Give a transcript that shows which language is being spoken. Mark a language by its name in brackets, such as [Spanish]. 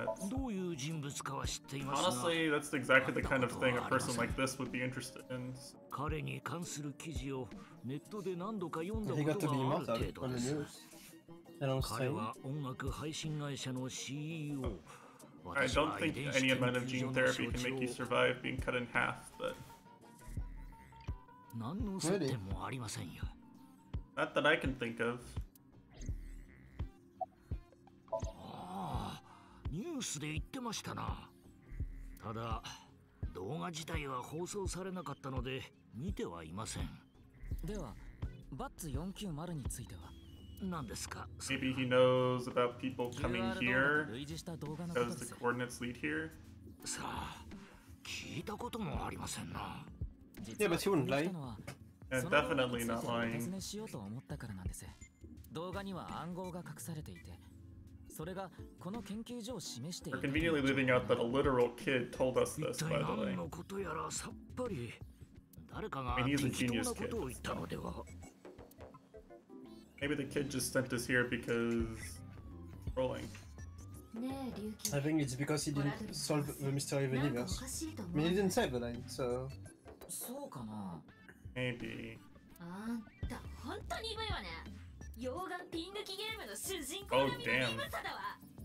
[Japanese] どういう人物かは知っていますが、 [English] Honestly, that's exactly the kind of thing a person like this would be interested in. [Japanese] 彼に関する記事をネットで何度か読んだことがある程度です。彼は音楽配信会社の CEO。 [English] I don't think any amount of gene therapy can make you survive being cut in half, but [Japanese] 何の接点もありませんよ。 [English] Not that I can think of. [Japanese] ニュースで言ってましたな。ただ動画自体は放送されなかったので見てはいません。ではバッツ490については何ですか？ [English] Maybe he knows about people coming here because the coordinates lead here. [Japanese] さあ聞いたこともありませんな。 [English] Yeah, but he wouldn't lie. Yeah, definitely not lying. [Japanese] 説明しようと思ったからなんです。動画には暗号が隠されていて、それがこの研究所を示して、 [English] We're conveniently leaving out that a literal kid told us this, by the way. [Japanese] 何のことやらさっぱり。誰かが適当なことを言ったのでは。 [English] Maybe the kid just sent us here because trolling. I think it's because he didn't solve the mystery of the universe. I mean, he didn't say the line, so. [Japanese] そうかな。 [English] Maybe. [Japanese] あんた本当に鈍いわね。溶岩ピン抜きゲームの主人公並みの鈍さだわ。